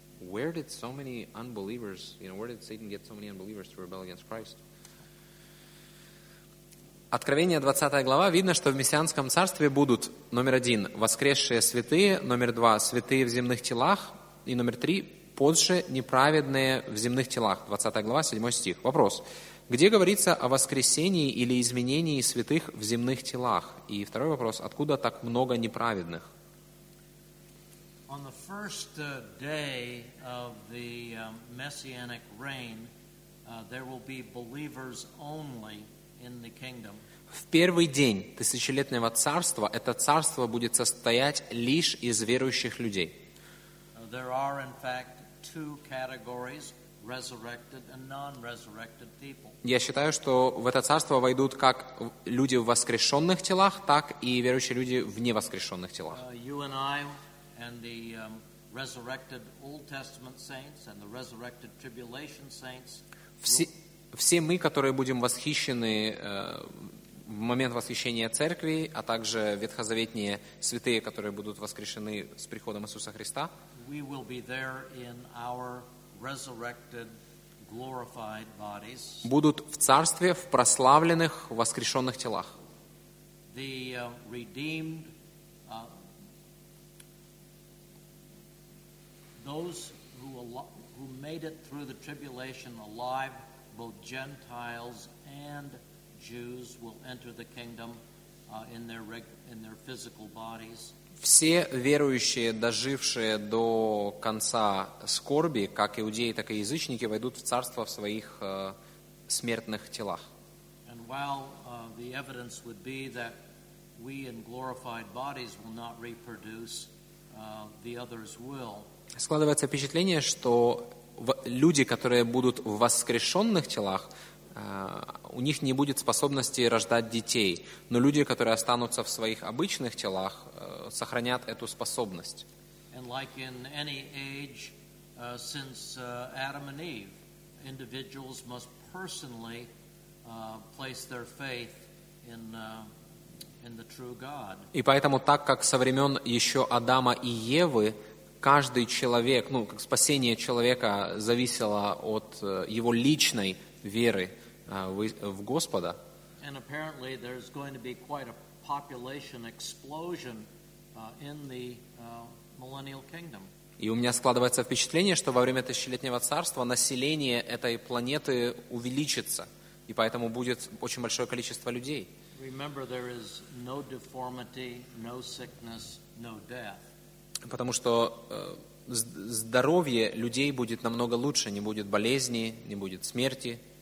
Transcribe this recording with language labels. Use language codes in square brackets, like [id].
[en] Where did so many unbelievers, you know, where did Satan get so many unbelievers to rebel against Christ? [ru] Откровение 20 глава, видно, что в мессианском царстве будут номер один, воскресшие святые, номер два, святые в земных телах, и номер три, позже неправедные в земных телах. 20 глава, 7 стих. Вопрос. Где говорится о воскресении или изменении святых в земных телах? И второй вопрос. Откуда так много неправедных? [en] On the first day of the messianic reign, there will be believers only in the kingdom. [ru] В первый день тысячелетнего царства это царство будет состоять лишь из верующих людей. [en] There are, in fact, two categories. Resurrected and non-resurrected people. [ru] Я считаю, что в это царство войдут как люди в воскрешенных телах, так и верующие люди в невоскрешенных телах. [en] You and I and the resurrected Old Testament saints and the resurrected tribulation saints. [ru] Все мы, которые будем восхищены в момент восхищения церкви, а также ветхозаветные святые, которые будут воскрешены с приходом Иисуса Христа. [en] We will be there in our resurrected, glorified bodies. [ru] Будут в царстве в прославленных воскрешенных телах. [en] The redeemed, those who made it through the tribulation alive, both Gentiles and Jews, will enter the kingdom in their physical bodies. [ru] Все верующие, дожившие до конца скорби, как иудеи, так и язычники, войдут в царство в своих смертных телах. [en] And while the evidence would be that we in glorified bodies will not reproduce, the others will. [ru] Складывается впечатление, что люди, которые будут в воскрешенных телах, у них не будет способности рождать детей, но люди, которые останутся в своих обычных телах, сохранят эту способность. [en] And like in any age since Adam and Eve, individuals must personally place their faith in the true God. [ru] И поэтому так как со времен еще Адама и Евы каждый человек, ну, как спасение человека зависело от его личной веры в Господа. [en] And apparently there's going to be quite a population explosion in the millennial kingdom. [ru] И у меня складывается впечатление, что во время тысячелетнего царства население этой планеты увеличится, и поэтому будет очень большое количество людей. [en] Remember, there is no deformity, no sickness, no death. [ru] Потому что здоровье людей будет намного лучше, не будет болезни, не будет смерти.